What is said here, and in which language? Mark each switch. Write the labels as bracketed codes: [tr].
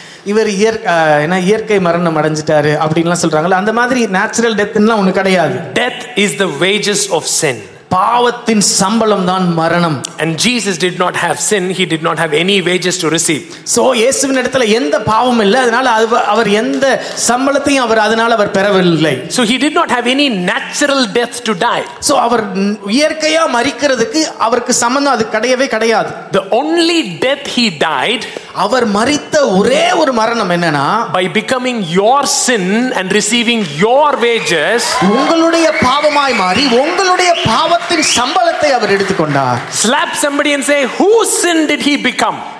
[ta] இவர் இயற்கை மரணம் அடைஞ்சிட்டாரு அப்படின்லாம் சொல்றாங்கல்ல, அந்த மாதிரி நேச்சுரல் டெத் ஒண்ணு கிடையாது. [en] Death is the wages of sin. [ta] பாவத்தின் சம்பளம் தான் மரணம். [en] And Jesus did not have sin, he did not have any wages to receive. [ta] So இயேசுவின் இடத்துல எந்த பாவமும் இல்ல, அதனால அவர் எந்த சம்பளத்தையும் அவர் அதனால அவர் பெறவில்லை. [en] So he did not have any natural death to die. [ta] So அவர் இயற்கையா மரிக்கிறதுக்கு அவருக்கு சம்பந்தம் அது கிடையவே கிடையாது. [en] The only death he died, [ta] அவர் மரித்த ஒரே ஒரு மரணம் என்னன்னா, [en] by becoming your sin and receiving your wages, [ta] உங்களுடைய பாவமாய் மாறி உங்களுடைய பாவத்தின் சம்பளத்தை அவர் எடுத்துக்கொண்டார். [en] Slap somebody and say, whose sin did he become?